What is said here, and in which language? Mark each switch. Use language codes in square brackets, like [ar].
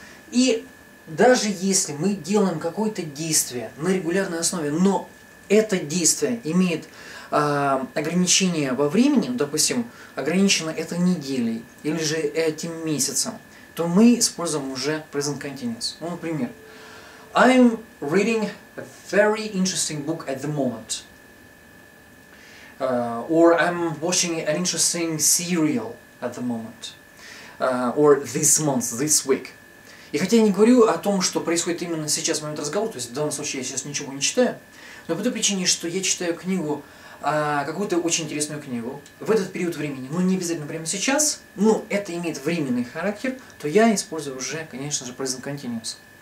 [ru] И даже если мы делаем какое-то действие на регулярной основе, но это действие имеет ограничение во времени, допустим, ограничено это неделей или же этим месяцем, то мы используем уже present continuous. Ну, например, [en] I'm reading a very interesting book at the moment. Or I'm watching an interesting serial at the moment. Or this month, this week. [ru] И хотя я не говорю о том, что происходит именно сейчас в момент разговора, то есть в данном случае я сейчас ничего не читаю, но по той причине, что я читаю книгу, какую-то очень интересную книгу, в этот период времени, но не обязательно прямо сейчас, но это имеет временный характер, то я использую уже, конечно же, present continuous.